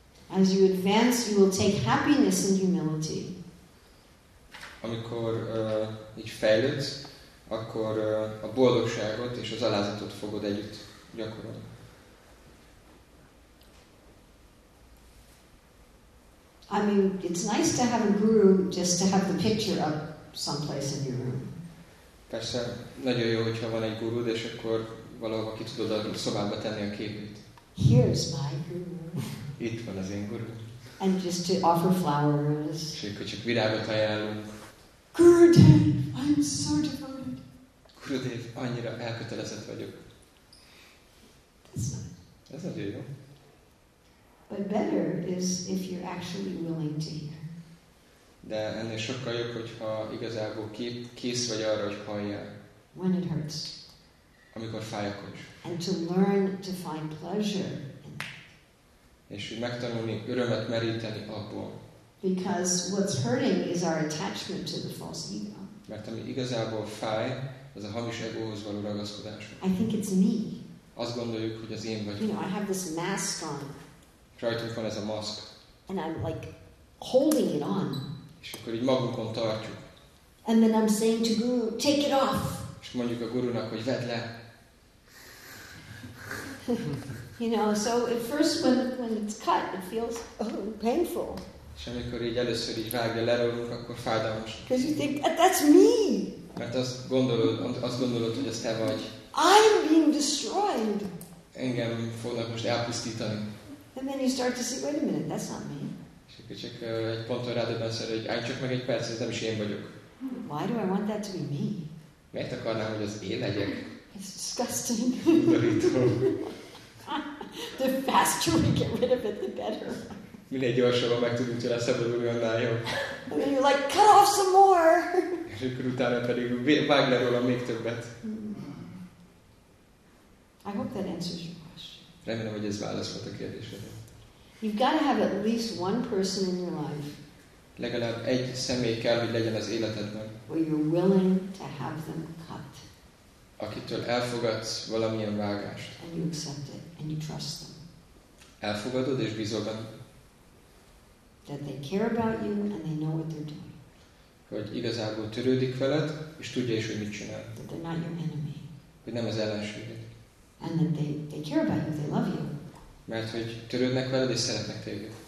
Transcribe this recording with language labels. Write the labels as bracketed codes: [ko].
[en] As you advance, you will take happiness and humility. [hu] Amikor így fejlődsz, akkor a boldogságot és az alázatot fogod együtt gyakorolni. [en] I mean, it's nice to have a guru just to have the picture up someplace in your room. [hu] Persze, nagyon jó, hogyha van egy gurud, és akkor valahova ki tudod a szobába tenni a képét. [en] Here's my guru. [hu] Itt van az én guru. [en] And just to offer flowers. [hu] És akkor csak virágot ajánlunk. [en] Gurudev, I'm so devoted. [hu] Gurudev, annyira elkötelezett vagyok. [en] That's nice. [hu] Ez nagyon jó. [en] But better is if you're actually willing to hear. [hu] De ennél sokkal jobb, hogyha igazából kész vagy arra, hogy halljál. [en] When it hurts. [hu] Amikor fáj a kocs. [en] And to learn to find pleasure. [hu] És hogy megtanulni örömet meríteni abból. [en] Because what's hurting is our attachment to the false ego. [hu] Mert ami igazából fáj, az a hamis egóhoz való ragaszkodás. [en] I think it's me. [hu] Azt gondoljuk, hogy az én vagyok. [en] You know, I have this mask on. [hu] Rajtunk van ez a maszk. [en] And I'm like holding it on. [hu] És akkor így magunkon tartjuk. [en] And then I'm saying to Guru, take it off. [hu] És mondjuk a gurunak, hogy vedd le. [en] You know, so at first when it's cut, it feels painful. [hu] És amikor így először így vágja, lerólunk, akkor fájdalmas. [en] Because you think, that's me. [hu] Mert azt gondolod, hogy ez te vagy. [en] I'm being destroyed. [hu] Engem fognak most elpusztítani. [en] And then you start to see, wait a minute, that's not me. [hu] És akkor csak egy ponton rádöbbenszer, hogy állj csak meg egy perc, ez nem is én vagyok. [en] Why do I want that to be me? [hu] Miért akarnám, hogy az én legyek? [en] It's disgusting. [hu] Undorító. [en] The faster we get rid of it, the better. [hu] Minél gyorsabban meg tudunk tőle szabadulni, annál jobb. [en] And then you're like, cut off some more. [hu] És akkor utána pedig vágj le róla még többet. [en] I hope that answers your question. [hu] Remélem, hogy ez válasz volt a kérdésedre. [en] You've got to have at least one person in your life. [hu] Legalább egy személy kell, hogy legyen az életedben. [en] Or you're willing to have them cut. [hu] Akitől elfogadsz valamilyen vágást. [en] And you accept it and you trust them. [hu] Elfogadod és bízol benne. [en] That they care about you and they know what they're doing. [hu] Hogy igazából törődik veled és tudja is, hogy mit csinál. [en] That they're not your enemy. [hu] Hogy nem az ellenséged. [en] And that they care about you, they love you. [hu] Mert hogy törődnek veled és szeretnek téged.